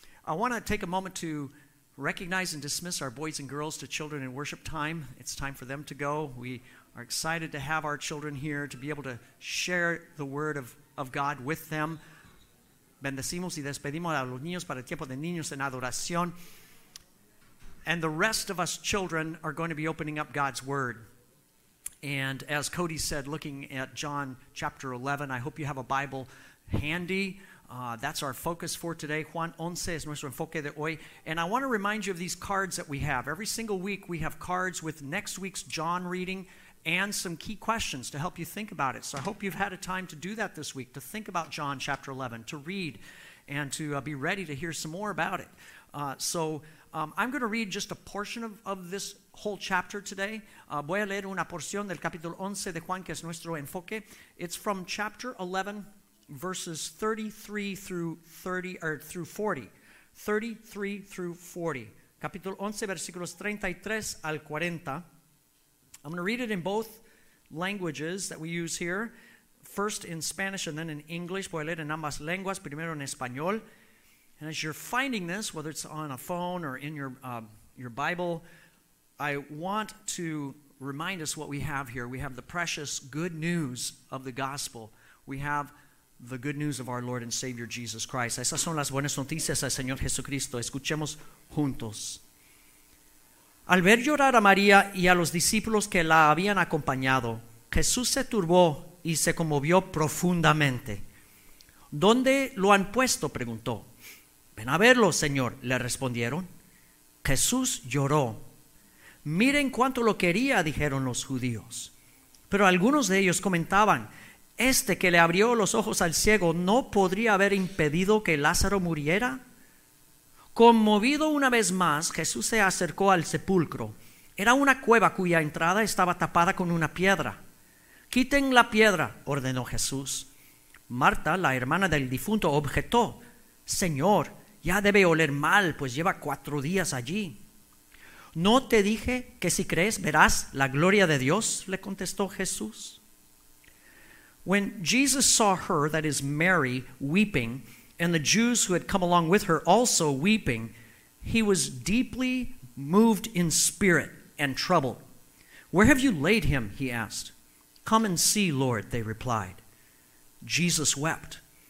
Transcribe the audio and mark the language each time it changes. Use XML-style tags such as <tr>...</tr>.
<en>I want to take a moment to recognize and dismiss our boys and girls to children in worship time. It's time for them to go. We are excited to have our children here to be able to share the word of God with them.</en> <es>Bendecimos y despedimos a los niños para el tiempo de niños en adoración.</es> <en>And the rest of us children are going to be opening up God's word. And as Cody said, looking at John chapter 11, I hope you have a Bible handy. That's our focus for today.</en> <es>Juan 11 es nuestro enfoque de hoy.</es> <en>And I want to remind you of these cards that we have. Every single week we have cards with next week's John reading and some key questions to help you think about it. So I hope you've had a time to do that this week, to think about John chapter 11, to read, and to be ready to hear some more about it. I'm going to read just a portion of this whole chapter today.</en> <es>Voy a leer una porción del capítulo 11 de Juan, que es nuestro enfoque.</es> <en>It's from chapter 11, verses 33 through 40. 33 through 40.</en> <es>Capítulo 11, versículos 33 al 40.</es> <en>I'm going to read it in both languages that we use here. First in Spanish and then in English.</en> <es>Voy a leer en ambas lenguas, primero en español.</es> <en>And as you're finding this, whether it's on a phone or in your Bible, I want to remind us what we have here. We have the precious good news of the gospel. We have the good news of our Lord and Savior Jesus Christ.</en> <es>Esas son las buenas noticias del Señor Jesucristo. Escuchemos juntos. Al ver llorar a María y a los discípulos que la habían acompañado, Jesús se turbó y se conmovió profundamente. ¿Dónde lo han puesto? Preguntó. Ven a verlo, Señor, le respondieron. Jesús lloró. Miren cuánto lo quería, dijeron los judíos. Pero algunos de ellos comentaban, este que le abrió los ojos al ciego, ¿no podría haber impedido que Lázaro muriera? Conmovido una vez más, Jesús se acercó al sepulcro. Era una cueva cuya entrada estaba tapada con una piedra. Quiten la piedra, ordenó Jesús. Marta, la hermana del difunto, objetó, Señor, ya debe oler mal, pues lleva 4 días allí. ¿No te dije que si crees verás la gloria de Dios? Le contestó Jesús.</es> <en>When Jesus saw her, that is Mary, weeping, and the Jews who had come along with her also weeping, he was deeply moved in spirit and troubled. Where have you laid him? He asked. Come and see, Lord, they replied. Jesus wept.</en>